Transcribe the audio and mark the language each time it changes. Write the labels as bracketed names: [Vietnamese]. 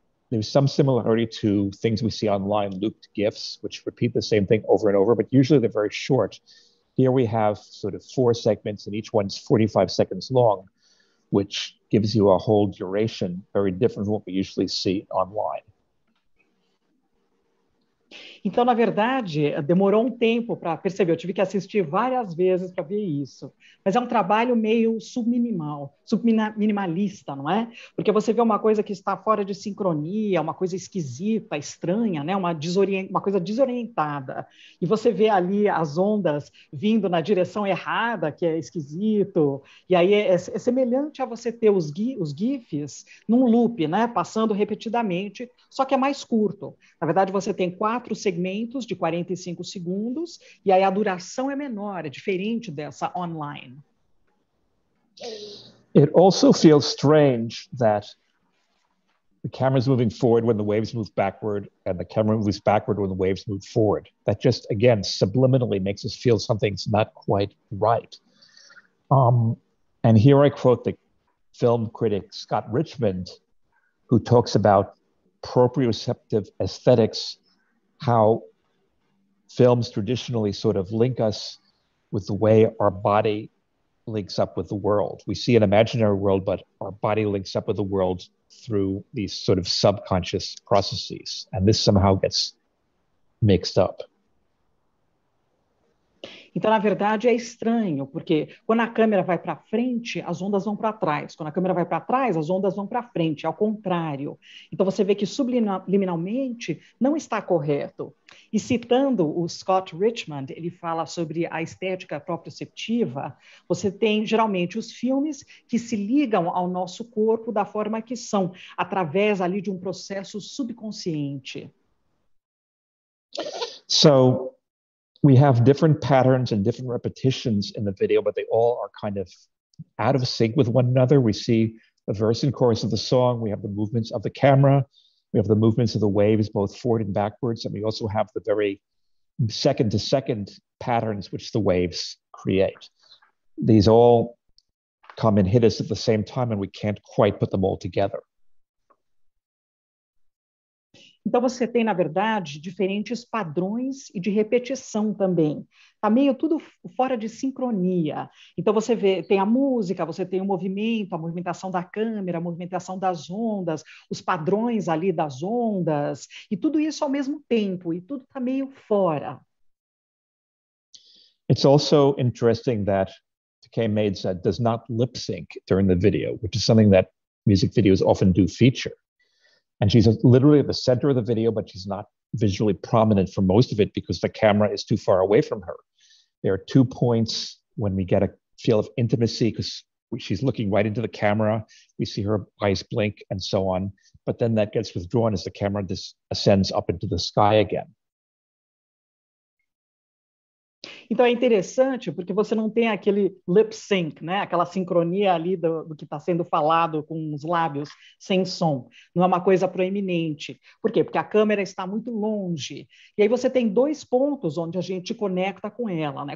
[English] There's some similarity to things we see online, looped GIFs, which repeat the same thing over and over, but usually they're very short. Here we have sort of four segments, and each one's 45 seconds long, which gives you a whole duration very different from what we usually see online. [Portuguese] Então, na verdade, demorou um tempo para perceber. Eu tive que assistir várias vezes para ver isso. Mas é um trabalho meio subminimalista, não é? Porque você vê uma coisa que está fora de sincronia, uma coisa esquisita, estranha, né? Uma coisa desorientada. E você vê ali as ondas vindo na direção errada, que é esquisito. E aí é semelhante a você ter os GIFs num loop, né? Passando repetidamente, só que é mais curto. Na verdade, você tem quatro segmentos de 45 segundos, e aí a duração é menor, é diferente dessa online. [English] It also feels strange that the camera's moving forward when the waves move backward, and the camera moves backward when the waves move forward. That just, again, subliminally makes us feel something's not quite right. And here I quote the film critic Scott Richmond, who talks about proprioceptive aesthetics, how films traditionally sort of link us with the way our body links up with the world. We see an imaginary world, but our body links up with the world through these sort of subconscious processes. And this somehow gets mixed up. [Portuguese] Então, na verdade, é estranho, porque quando a câmera vai para frente, as ondas vão para trás. Quando a câmera vai para trás, as ondas vão para frente, ao contrário. Então, você vê que subliminalmente não está correto. E citando o Scott Richmond, ele fala sobre a estética proprioceptiva, você tem geralmente os filmes que se ligam ao nosso corpo da forma que são, através ali de um processo subconsciente. [English] So, we have different patterns and different repetitions in the video, but they all are kind of out of sync with one another. We see the verse and chorus of the song, we have the movements of the camera, we have the movements of the waves, both forward and backwards, and we also have the very second-to-second patterns which the waves create. These all come and hit us at the same time, and we can't quite put them all together. [Portuguese] Então, você tem, na verdade, diferentes padrões e de repetição também. Está meio tudo fora de sincronia. Então, você vê, tem a música, você tem o movimento, a movimentação da câmera, a movimentação das ondas, os padrões ali das ondas, e tudo isso ao mesmo tempo, e tudo está meio fora. [English] It's also interesting that Takei Maeda does not lip sync during the video, which is something that music videos often do feature. And she's literally at the center of the video, but she's not visually prominent for most of it because the camera is too far away from her. There are two points when we get a feel of intimacy because she's looking right into the camera. We see her eyes blink and so on. But then that gets withdrawn as the camera ascends up into the sky again. [Portuguese] Então é interessante porque você não tem aquele lip sync, né? Aquela sincronia ali do que está sendo falado com os lábios sem som. Não é uma coisa proeminente. Por quê? Porque a câmera está muito longe. E aí você tem dois pontos onde a gente conecta com ela, né?